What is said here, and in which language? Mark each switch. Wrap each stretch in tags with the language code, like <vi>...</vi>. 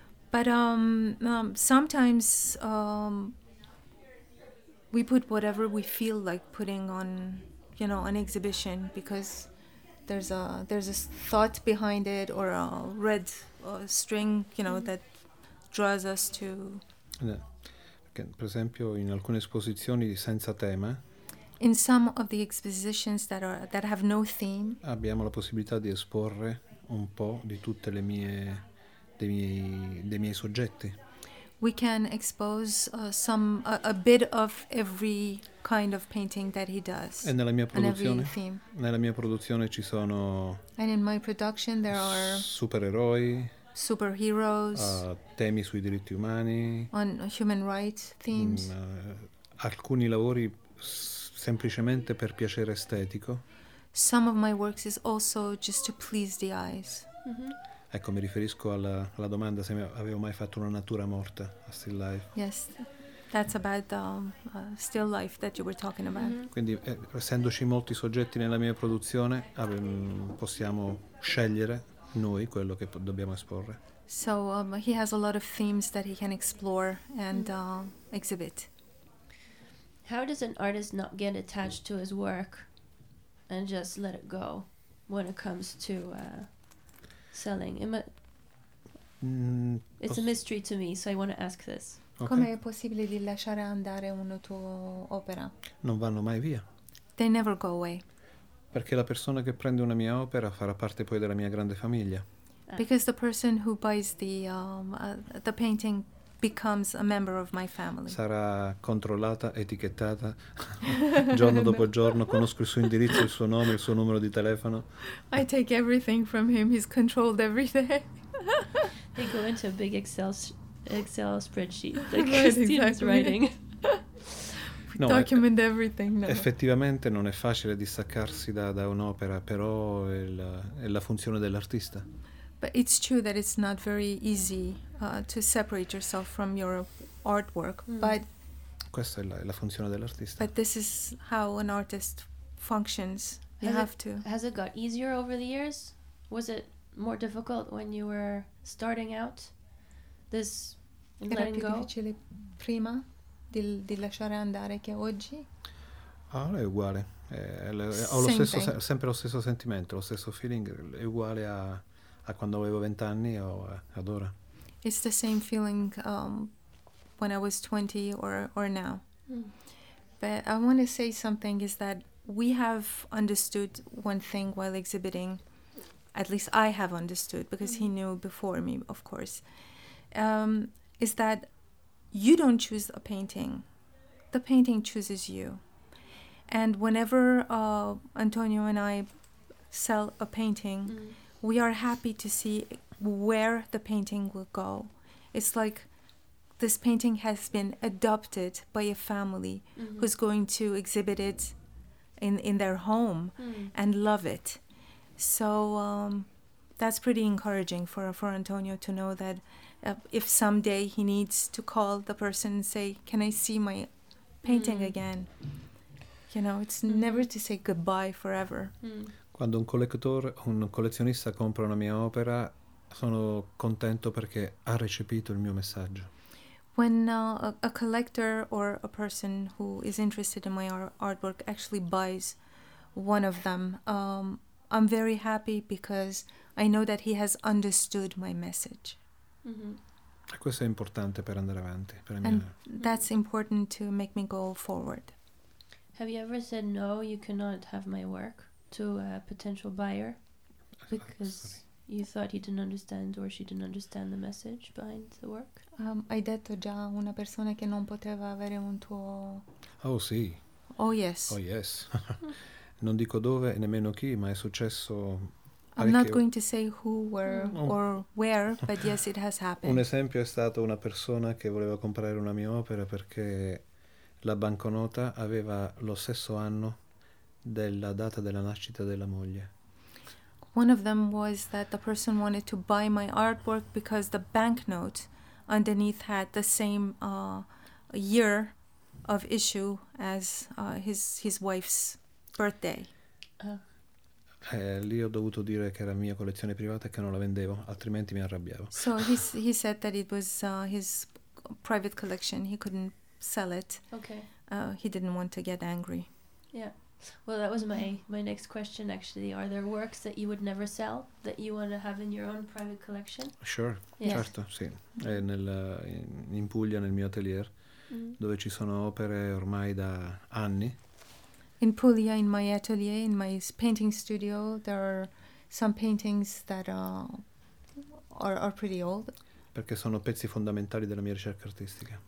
<en>But sometimes we put whatever we feel like putting on, you know, an exhibition, because there's a thought behind it, or a red string, you know, that draws us to.</en> <it>Per esempio, in alcune esposizioni senza tema.</it> <en>In some of the expositions that have no theme.</en> <it>Abbiamo la possibilità di esporre un po' di tutte le mie dei miei soggetti.</it> <en>We can expose a bit of every kind of painting that he does.</en> <it>E nella mia produzione, ci sono.</it> <en>And in my production there are</en> <it>supereroi,</it> <en>superheroes,</en> <it>temi sui diritti umani,</it> <en>on human rights themes.</en> <it>Alcuni lavori semplicemente per piacere estetico.</it> <en>Some of my works is also just to please the eyes.</en> <it>Ecco, mi riferisco alla domanda se avevo mai fatto una natura morta,</it> <en>a still life. Yes. That's about the still life that you were talking about. Quindi, essendoci molti soggetti nella mia produzione, possiamo scegliere noi quello che dobbiamo esporre. So he has a lot of themes that he can explore and exhibit. How does an artist not get attached to his work and just let it go when it comes to selling? It's a mystery to me, so I want to ask this. Okay.</en> <it>Come è possibile di lasciare andare una tua opera? Non vanno mai via.</it> <en>They never go away.</en> <it>Perché la persona che prende una mia opera farà parte poi della mia grande famiglia.</it> <en>Because the person who buys the painting becomes a member of my family.</en> <it>Sarà controllata, etichettata giorno dopo giorno. Conosco il suo indirizzo, il suo nome, il suo numero di telefono.</it> <en>I take everything from him. He's controlled everything. They go into a big Excel spreadsheet that Christine's exactly. writing. No, document everything. No.</en> <it>Effettivamente non è facile distaccarsi da un'opera, però è la funzione dell'artista.</it> <en>But it's true that it's not very easy to separate yourself from your artwork. Mm. But</en> <it>questa è la funzione dell'artista.</it> <en>But this is how an artist functions. Has it got easier over the years? Was it more difficult when you were starting out? This letting go.</en> <it>Era più difficile prima di lasciare andare che oggi? Allora è uguale. Ho lo stesso sempre lo stesso sentimento, lo stesso feeling. È uguale a quando avevo 20 anni o ad ora.</it> <en>It's the same feeling when I was 20 or now. Mm. But I want to say something is that we have understood one thing while exhibiting. At least I have understood because he knew before me, of course. Is that you don't choose a painting. The painting chooses you. And whenever Antonio and I sell a painting, we are happy to see where the painting will go. It's like this painting has been adopted by a family who's going to exhibit it in their home and love it. So that's pretty encouraging for Antonio to know that if someday he needs to call the person and say, can I see my painting again? You know, it's never to say goodbye forever.</en> <it>Quando un collezionista compra una mia opera, sono contento perché ha recepito il mio messaggio.</it> <en>When a collector or a person who is interested in my artwork actually buys one of them, I'm very happy because I know that he has understood my message.</en> <it>Mm-hmm. Questo è importante per andare avanti.</it> <en>That's important to make me go forward. Have you ever said no, you cannot have my work? To a potential buyer because you thought he didn't understand or she didn't understand the message behind the work?</en> <it>Hai detto già una persona che non poteva avere un tuo... Oh sì.</it> <en>Oh yes. Oh yes.</en> <it>Non dico dove e nemmeno chi, ma è successo...</it> <en>I'm not going to say who were or where, but yes, it has happened.</en> <it>Un esempio è stato una persona che voleva comprare una mia opera perché la banconota aveva lo stesso anno della data della nascita della moglie.</it> <en>One of them was that the person wanted to buy my artwork because the banknote underneath had the same year of issue as his wife's birthday.</en> <it>Lì ho dovuto dire che era mia collezione privata e che non la vendevo, altrimenti mi arrabbiavo.</it> <en>So he said that it was his private collection. He couldn't sell it. Okay. He didn't want to get angry. Yeah. Well, that was my next question, actually. Are there works that you would never sell that you want to have in your own private collection? Sure, yes.</en> <it>Certo, sì. È in Puglia, nel mio atelier, dove ci sono opere ormai da anni.</it> <en>In Puglia, in my atelier, in my painting studio, there are some paintings that are pretty old.</en> <it>Perché sono pezzi fondamentali della mia ricerca artistica.</it>